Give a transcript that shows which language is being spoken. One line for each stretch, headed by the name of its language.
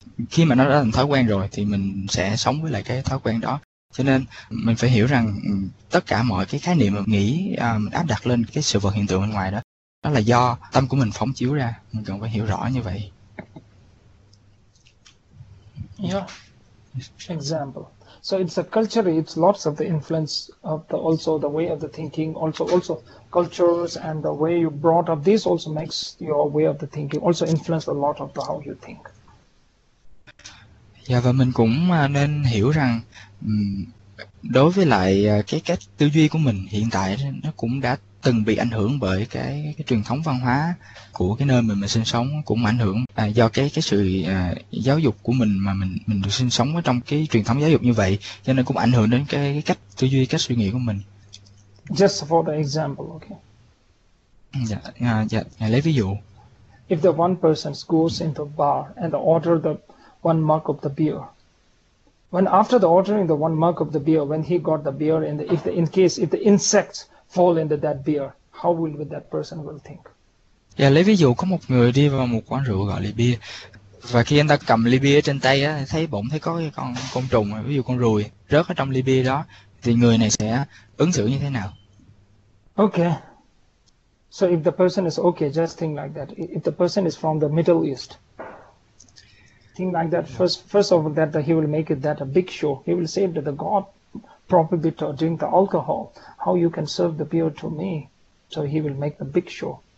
Vietnamese: Khi mà nó đã thành thói quen rồi thì mình sẽ sống với lại cái thói quen đó. Cho nên mình phải hiểu rằng tất cả mọi cái khái niệm mà nghĩ mình áp đặt lên cái sự vật hiện tượng bên ngoài đó, đó là do tâm của mình phóng chiếu ra, mình cần phải hiểu rõ như vậy.
English: Example. So it's a culture, it's lots of the influence of the also the way of the thinking, also cultures and the way you brought up this also makes your way of the thinking also influence a lot of the how you think.
Vietnamese: Dạ, và mình cũng nên hiểu rằng đối với lại cái cách tư duy của mình hiện tại, nó cũng đã từng bị ảnh hưởng bởi cái truyền thống văn hóa của cái nơi mình sinh sống, cũng ảnh hưởng do cái sự giáo dục của mình, mà mình được sinh sống ở trong cái truyền thống giáo dục như vậy, cho nên cũng ảnh hưởng đến cái cách tư duy, cách suy nghĩ của mình.
English: Just for the example, okay.
Vietnamese: Dạ, lấy ví dụ.
English: If the one person goes into bar and order the one mug of the beer, when after the ordering the one mug of the beer, when he got the beer and if the in case if the insects fall into that beer, how will that person will think?
Vietnamese: Dạ, lấy ví dụ có một người đi vào một quán rượu gọi ly bia, và khi anh ta cầm ly bia trên tay á, thấy bỗng thấy có con trùng, ví dụ con ruồi rớt ở trong ly bia đó, thì người này sẽ ứng xử như thế nào?
English: Okay, so if the person is okay, just think like that. If the person is from the Middle East, think like that. First of all, that he will make it that a big show. He will say that the God probably to drink the alcohol. How you can serve the beer to me? So he will make the big show.